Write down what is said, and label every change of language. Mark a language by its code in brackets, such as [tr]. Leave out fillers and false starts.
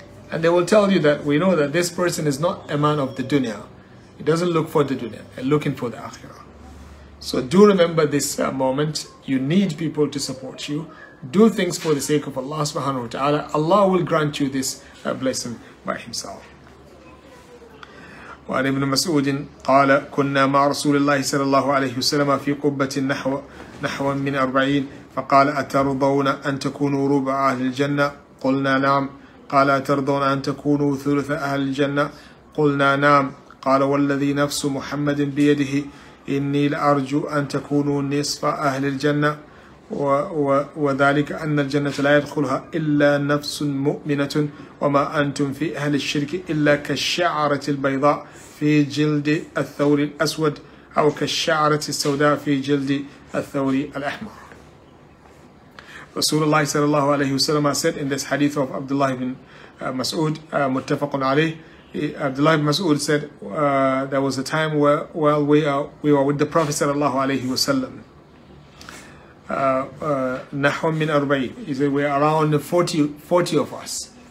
[en] And they will tell you that we know that this person is not a man of the dunya. He doesn't look for the dunya, he's looking for the akhirah. So do remember this moment. You need people to support you. Do things for the sake of Allah subhanahu wa ta'ala. Allah will grant you this blessing by himself. [ar] وعن ابن مسعود قال كنا مع رسول الله صلى الله عليه وسلم في قبة نحو من 40 فقال أترضون أن تكونوا ربع أهل الجنة قلنا نعم قال أترضون أن تكونوا ثلث أهل الجنة قلنا نعم قال والذي نفس محمد بيده إني لأرجو أن تكونوا نصف أهل الجنة وذلك أن الجنة لا يدخلها إلا نفس مؤمنة وما أنتم في أهل الشرك إلا كالشعرة البيضاء في جلد الثور الأسود أو كالشعرة السوداء في جلد الثور الأحمر. [en] رسول الله صلى الله عليه وسلم said in this hadith of Abdullah ibn Mas'ud متفق عليه. Abdullah ibn Mas'ud said there was a time where we were with the Prophet sallallahu alayhi wa sallam. Nahum min arba'in. He said we're around 40 of us.